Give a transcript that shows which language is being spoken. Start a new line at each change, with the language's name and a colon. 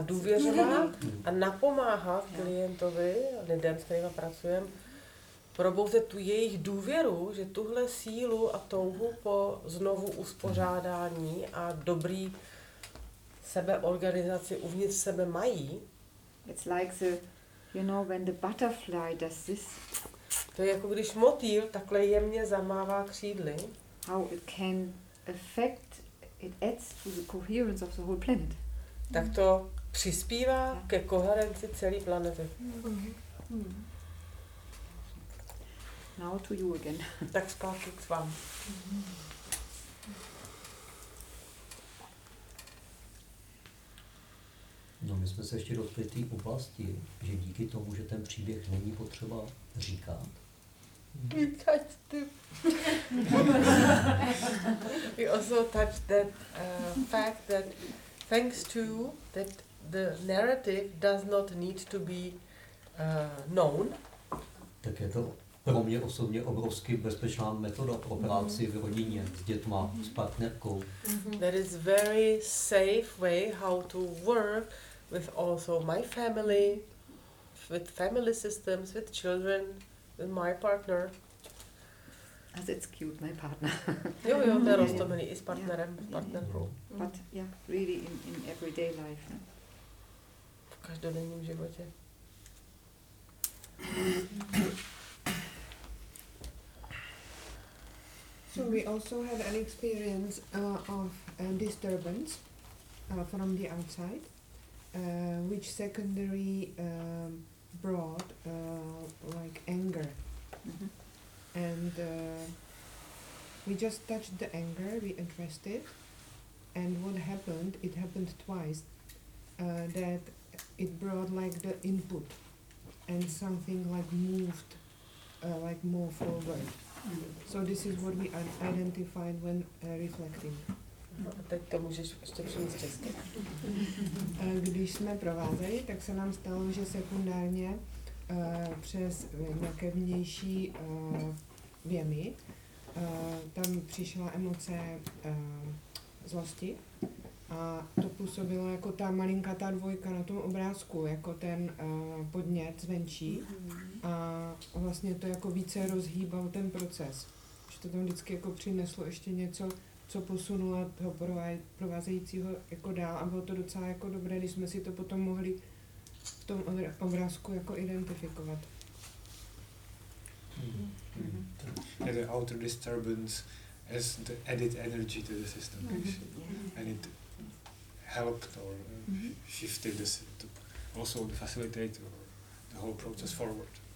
Czech: A důvěřovat a napomáhat klientovi, lidem, s kterými pracujem, probouzet tu jejich důvěru, že tuhle sílu a touhu po znovu uspořádání a dobrý sebeorganizaci uvnitř sebe mají.
English: It's like the, you know, when the butterfly does this.
Czech: To je jako když motýl takhle jemně zamává křídly.
English: How it can affect, it adds to the coherence of the whole planet.
Czech: Tak to přispívá ke koherenci celé planety.
English: Now to you again.
Czech: Tak zpátky k vám. No, my jsme se ještě dotkli té oblasti, že díky tomu, že ten příběh není potřeba říkat.
English: Touch we also touched that fact that thanks to that the narrative does not need to be known.
Czech: Tak je to pro mě osobně obrovsky bezpečná metoda pro práci v rodině, s dětma, s partnerkou.
English: That is very safe way how to work with also my family, with family systems, with children, with my partner. As it's cute, my partner.
Czech: Jo, to je roztomilý, i s partnerem, s partnerkou.
English: But yeah, really in everyday life. No?
Czech: V každodenním životě.
English: So we also have an experience of disturbance. from the outside, which secondary brought like anger. Mm-hmm. And we just touched the anger, we addressed it, and what happened, it happened twice, that it brought like the input and something like moved like more forward. So this is what we identified when reflecting.
Czech: Teď to můžeš ještě přijít česky. Když jsme provázeli, tak se nám stalo, že sekundárně přes nějaké vnější věmy tam přišla emoce zlosti a to působilo jako ta malinká ta dvojka na tom obrázku, jako ten podnět zvenčí a vlastně to jako více rozhýbal ten proces, že to tam vždycky jako přineslo ještě něco, co posunula toho provázejícího jako dál a bylo to docela jako dobré, když jsme si to potom mohli v tom obrázku jako identifikovat. Mm-hmm.
English: The outer disturbance as the added energy to the system, mm-hmm. and it helped or shifted the system, also the facilitate or the whole process forward.